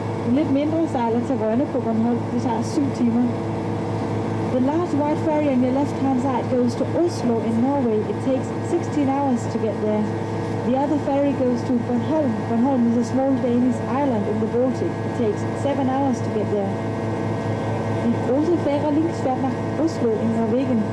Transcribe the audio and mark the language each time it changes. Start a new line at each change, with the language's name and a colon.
Danish: En lidt mindre sejler til Rønne på Bornholm. Det tager 7 timer.
English: The large white ferry on your left hand side goes to Oslo in Norway. It takes 16 hours to get there. The other ferry goes to Bornholm. Bornholm is a small Danish island in the Baltic. It takes 7 hours to get there.
German: Die große Fähre links fährt nach Oslo in Norwegen.